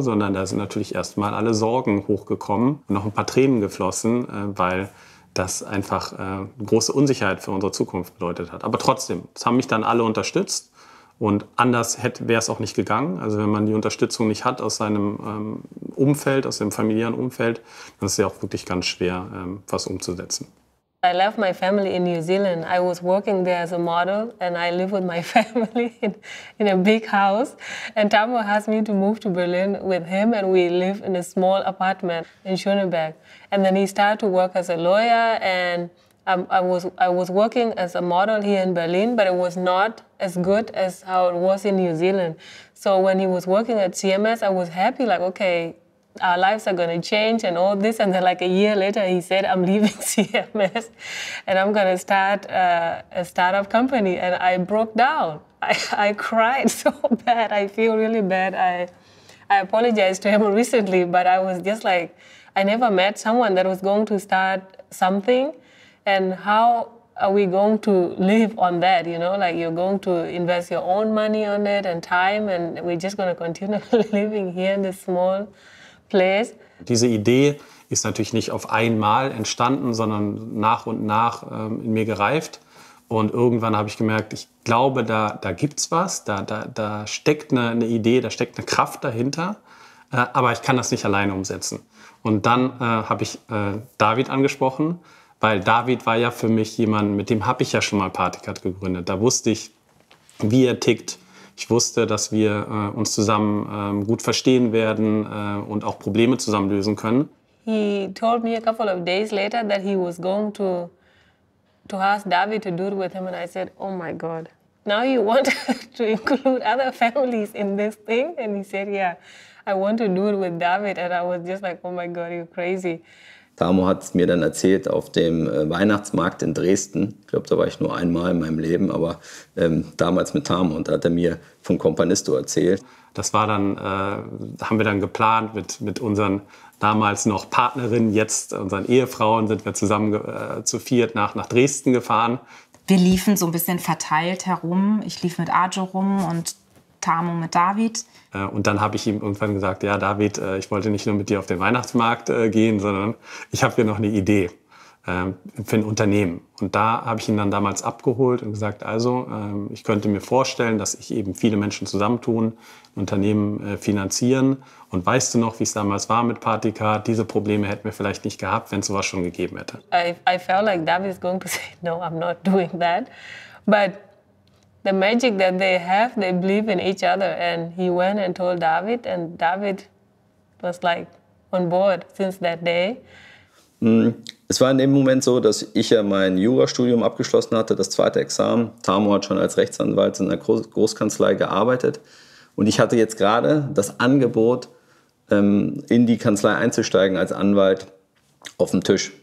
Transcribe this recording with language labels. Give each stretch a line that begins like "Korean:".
German: Sondern da sind natürlich erst mal alle Sorgen hochgekommen und noch ein paar Tränen geflossen, weil das einfach große Unsicherheit für unsere Zukunft bedeutet hat. Aber trotzdem, das haben mich dann alle unterstützt. Und anders wäre es auch nicht gegangen. Also wenn man die Unterstützung nicht hat aus seinem Umfeld, aus dem familiären Umfeld, dann ist es ja auch wirklich ganz schwer, was umzusetzen.
English: I left my family in New Zealand. I was working there as a model and I live with my family in a big house. And Tamo asked me to move to Berlin with him and we live in a small apartment in Schöneberg. And then he started to work as a lawyer and I was working as a model here in Berlin, but it was not as good as how it was in New Zealand. So when he was working at CMS, I was happy, like, okay, our lives are going to change and all this. And then like a year later, he said, I'm leaving CMS and I'm going to start a startup company. And I broke down. I cried so bad. I feel really bad. I apologized to him recently, but I was just like, I never met someone that was going to start something. And how are we going to live on that, you know? Like, you're going to invest your own money on it and time, and we're just going to continue living here in this small place.
German: Diese Idee ist natürlich nicht auf einmal entstanden, sondern nach und nach in mir gereift. Und irgendwann habe ich gemerkt, ich glaube, da gibt's was. Da steckt eine Idee, da steckt eine Kraft dahinter. Aber ich kann das nicht alleine umsetzen. Und dann habe ich David angesprochen, weil David war ja für mich jemand, mit dem habe ich ja schon mal Partycard gegründet. Da wusste ich, wie er tickt. Ich wusste, dass wir uns zusammen gut verstehen werden und auch Probleme zusammen lösen können.
English: He told me a couple of days later that he was going to ask David to do it with him. And I said, oh my God, now you want to include other families in this thing? And he said, yeah, I want to do it with David. And I was just like, oh my God, you're crazy.
German: Tamo hat es mir dann erzählt auf dem Weihnachtsmarkt in Dresden. Ich glaube, da war ich nur einmal in meinem Leben, aber damals mit Tamo. Und da hat er mir von Companisto erzählt. Das war dann, haben wir dann geplant mit unseren damals noch Partnerinnen, jetzt unseren Ehefrauen, sind wir zusammen zu viert nach Dresden gefahren. Wir liefen so ein bisschen verteilt herum. Ich lief mit Arjo rum und Tamo mit David. Und dann habe ich ihm irgendwann gesagt, ja, David, ich wollte nicht nur mit dir auf den Weihnachtsmarkt gehen, sondern ich habe hier noch eine Idee für ein Unternehmen. Und da habe ich ihn dann damals abgeholt und gesagt, also, ich könnte mir vorstellen, dass ich eben viele Menschen zusammentun, ein Unternehmen finanzieren. Und weißt du noch, wie es damals war mit Partycard? Diese Probleme hätten wir vielleicht nicht gehabt, wenn es sowas schon gegeben hätte.
English: I felt like David is going to say, no, I'm not doing that. But the magic that they have, they believe in each other. And he went and told David, and David was like on board since that day.
German: Es war in dem Moment so, dass ich ja mein Jurastudium abgeschlossen hatte, das zweite Examen. Tamo hat schon als Rechtsanwalt in einer Großkanzlei gearbeitet. Und ich hatte jetzt gerade das Angebot, in die Kanzlei einzusteigen als Anwalt, auf dem Tisch.